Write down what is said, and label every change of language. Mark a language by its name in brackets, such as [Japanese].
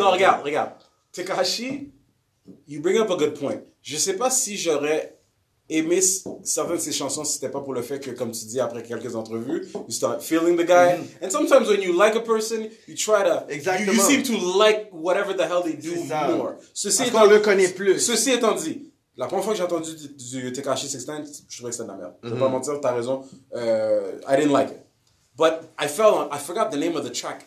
[French] Non, regarde. [English] Tekashi, you bring up a good point. [French] Je sais pas si j'aurais aimé certaines de ses chansons si c'était pas pour le fait que, comme tu dis, après quelques entrevues, [English] you start feeling the guy. [French] Mm-hmm. [English] And sometimes when you like a person, you try to... [French] Exactement. [English] You seem to like whatever the hell they do more. [French] Ceci parce qu'on le connaît plus. Ceci étant dit... La première fois que j'ai entendu du Tekashi 69, je trouvais que c'était de la merde. Mm-hmm. Je vais pas mentir, t'as raison. [English] I didn't like it. But I forgot the name of the track.